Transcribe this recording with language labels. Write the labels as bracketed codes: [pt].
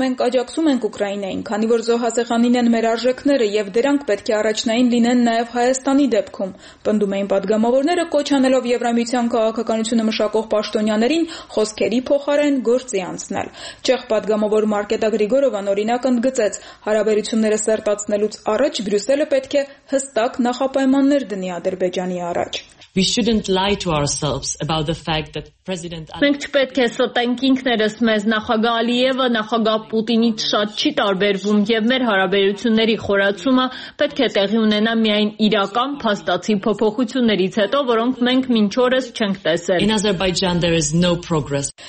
[hy] մենք աջակցում ենք Ուկրաինային, քանի որ զոհասեղանին են մեր արժեքները և դրանք պետք է առաջնային լինեն նաև Հայաստանի դեպքում»։ Պնդում էին պատգամավորները, կոչանելով Եվրամիության քաղաքականությունը մշակող պաշտոնյաներին խոսքերի փոխարեն գործի անցնել։ Չեխ պատգամավոր Մարկետա Գրիգորովան օրինակ ընդգծեց, հարաբերությունները սերտացնելուց առաջ Բրյուսելը պետք է հստակ նախապայմաններ դնի Ադրբեջանի առաջ։ [en] «We shouldn't lie to ourselves about the fact that President [hy] Ali»։ «Մենք չպետք է ստենք ինքներս մեզ, նախագահ Ալիևը նախագահ Պուտինից շատ չի տարբերվում և մեր հարաբերությունների խորացումը պետք է տեղի ունենա միայն իրական փաստացի փոփոխություններից հետո, որոնք մենք մինչ օրս չենք տեսել»։ [en] «In Azerbaijan there is no progress»։